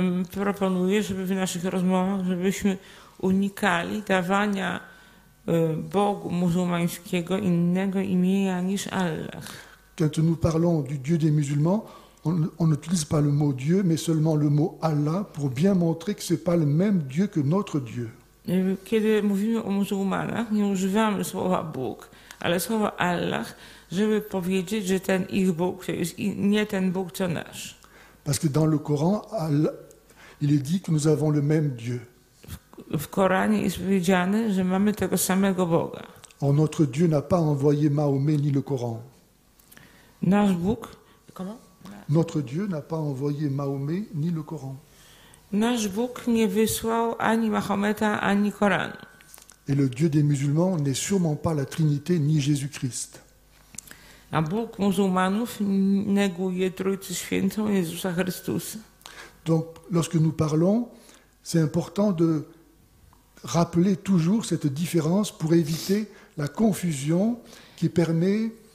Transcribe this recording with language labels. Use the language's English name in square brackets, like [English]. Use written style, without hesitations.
[Polish] Proponuję, żeby w naszych rozmowach, żebyśmy unikali dawania Bogu muzułmańskiego innego imienia niż Allah. [French] Quand nous parlons du Dieu des musulmans, on n'utilise pas le mot Dieu, mais seulement le mot Allah pour bien montrer que ce n'est pas le même Dieu que notre Dieu. [Polish] Kiedy mówimy o muzułmanach, nie używamy słowa Bóg, ale słowa Allah, żeby powiedzieć, że ten ich Bóg to jest nie ten Bóg, co nasz. [French] Parce que dans le Coran, il est dit que nous avons le même Dieu. [Polish] W Koranie jest powiedziane, że mamy tego samego Boga. [French] Or notre Dieu n'a pas envoyé Mahomet ni le Coran. [Polish] Nasz Bóg, [French] comment? Notre Dieu n'a pas envoyé Mahomet ni le Coran. [Polish] Nasz Bóg nie wysłał ani Mahometa, ani Koranu. [French] Et le Dieu des musulmans n'est sûrement pas la Trinité ni Jésus-Christ. [Polish] A Bóg muzułmanów neguje Trójcę Świętą, Jezusa Chrystusa. [French] Donc lorsque nous parlons, c'est important de rappeler toujours cette différence pour éviter la confusion qui permet.